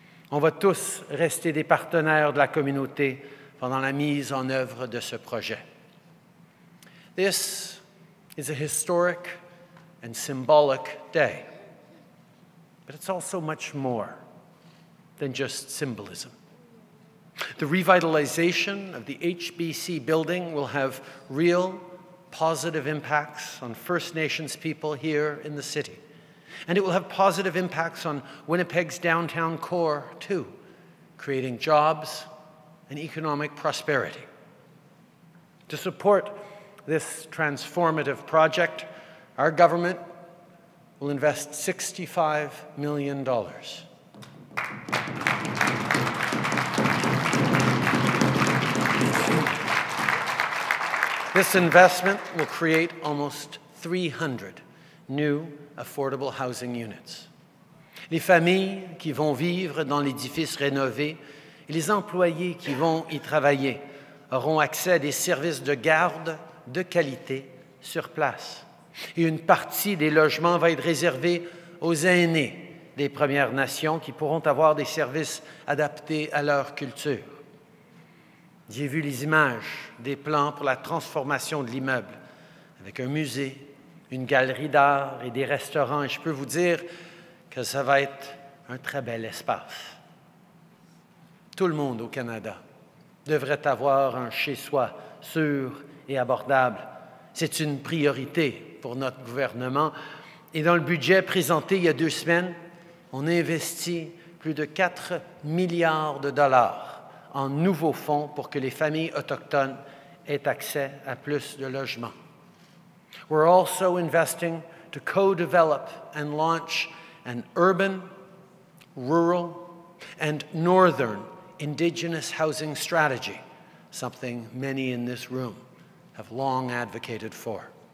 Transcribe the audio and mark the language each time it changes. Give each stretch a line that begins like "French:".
French: On va tous rester des partenaires de la communauté pendant la mise en œuvre de ce projet.
English: This is a historic and symbolic day, but it's also much more than just symbolism. The revitalization of the HBC building will have real, positive impacts on First Nations people here in the city. And it will have positive impacts on Winnipeg's downtown core, too, creating jobs and economic prosperity. To support this transformative project, our government will invest $65 million. This investment will create almost 300 new affordable housing units.
French: Les familles qui vont vivre dans l'édifice rénové et les employés qui vont y travailler auront accès à des services de garde de qualité sur place. Et une partie des logements va être réservée aux aînés des Premières Nations qui pourront avoir des services adaptés à leur culture. J'ai vu les images des plans pour la transformation de l'immeuble avec un musée, une galerie d'art et des restaurants. Et je peux vous dire que ça va être un très bel espace. Tout le monde au Canada devrait avoir un chez-soi sûr et abordable. C'est une priorité pour notre gouvernement. Et dans le budget présenté il y a deux semaines, on a investi plus de 4 milliards de dollars en nouveaux fonds pour que les familles autochtones aient accès à plus de logements.
English: We're also investing to co-develop and launch an urban, rural, and northern Indigenous housing strategy, something many in this room have long advocated for.